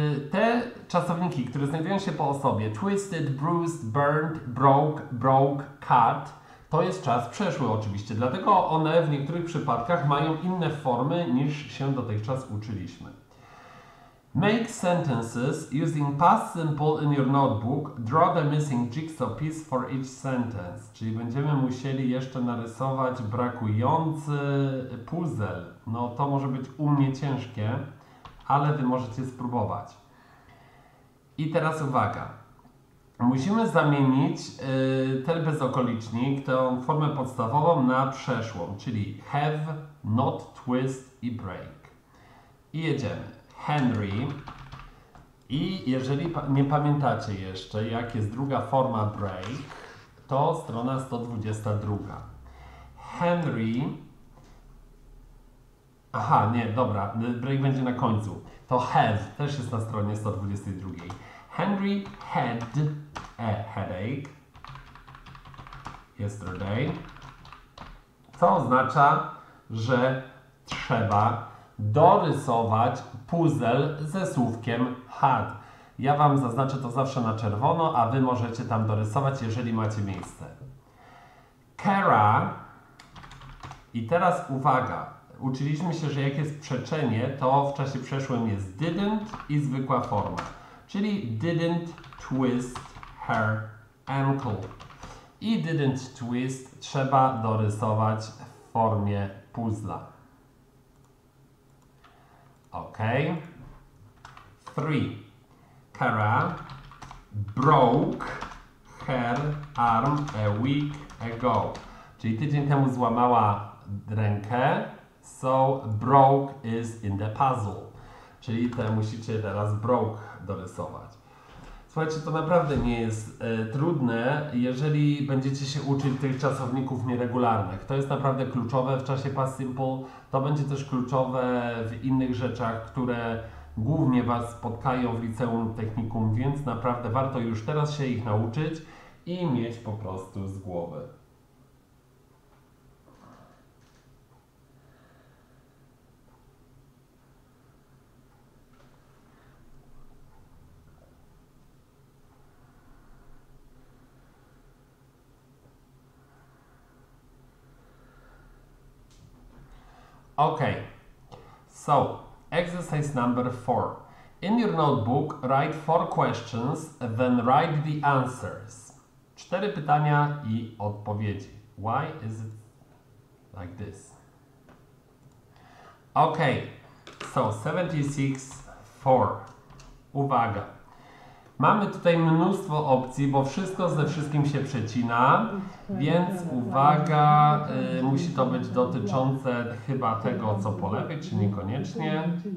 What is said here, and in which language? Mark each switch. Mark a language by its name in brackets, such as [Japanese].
[Polish] Te czasowniki, które znajdują się po osobie, [English] twisted, bruised, burned, broke, cut, [Polish] to jest czas przeszły oczywiście, dlatego one w niektórych przypadkach mają inne formy niż się dotychczas uczyliśmy. [English] Make sentences using past simple in your notebook. Draw the missing jigsaw piece for each sentence. [Polish] Czyli będziemy musieli jeszcze narysować brakujący puzzle. No to może być u mnie ciężkie, ale wy możecie spróbować. I teraz uwaga. Musimy zamienić ten bezokolicznik, tę formę podstawową na przeszłą, czyli have, not, twist i break. I jedziemy. Henry. I jeżeli nie pamiętacie jeszcze, jak jest druga forma break, to strona 122. Henry. Aha, nie, dobra, break będzie na końcu. To have też jest na stronie 122. [English] Henry had a headache yesterday. [Polish] Co oznacza, że trzeba dorysować puzzle ze słówkiem had. Ja wam zaznaczę to zawsze na czerwono, a wy możecie tam dorysować, jeżeli macie miejsce. Kara. I teraz uwaga. Uczyliśmy się, że jak jest przeczenie, to w czasie przeszłym jest didn't i zwykła forma. Czyli [English] didn't twist her ankle. [Polish] I [English] didn't twist [Polish] trzeba dorysować w formie puzzla. [English] Ok. 3. Kara broke her arm a week ago. [Polish] Czyli tydzień temu złamała rękę. [English] So broke is in the puzzle. [Polish] Czyli te musicie teraz broke dorysować. Słuchajcie, to naprawdę nie jest trudne, jeżeli będziecie się uczyć tych czasowników nieregularnych. To jest naprawdę kluczowe w czasie past simple. To będzie też kluczowe w innych rzeczach, które głównie Was spotkają w liceum, technikum, więc naprawdę warto już teraz się ich nauczyć i mieć po prostu z głowy. [English] Okay, so exercise number 4. In your notebook, write 4 questions, then write the answers. [Polish] Cztery pytania i odpowiedzi. [English] Why is it like this? Okay, so 76, 4. [Polish] Uwaga. Mamy tutaj mnóstwo opcji, bo wszystko ze wszystkim się przecina, więc uwaga, musi to być dotyczące chyba tego, co po lewej, czy niekoniecznie.